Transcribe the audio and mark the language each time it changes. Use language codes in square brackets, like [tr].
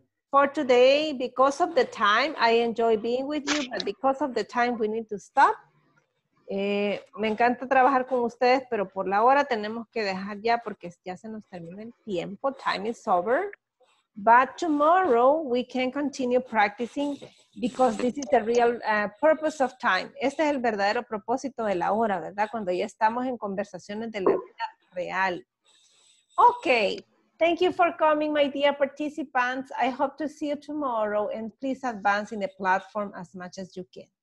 [en] For today, because of the time, I enjoy being with you, but because of the time, we need to stop. [es] Me encanta trabajar con ustedes, pero por la hora tenemos que dejar ya porque ya se nos termina el tiempo. [en] Time is over. But tomorrow, we can continue practicing because this is the real purpose of time. [es] Este es el verdadero propósito de la hora, ¿verdad? Cuando ya estamos en conversaciones de la vida real. [en] Okay. Thank you for coming, my dear participants. I hope to see you tomorrow and please advance in the platform as much as you can.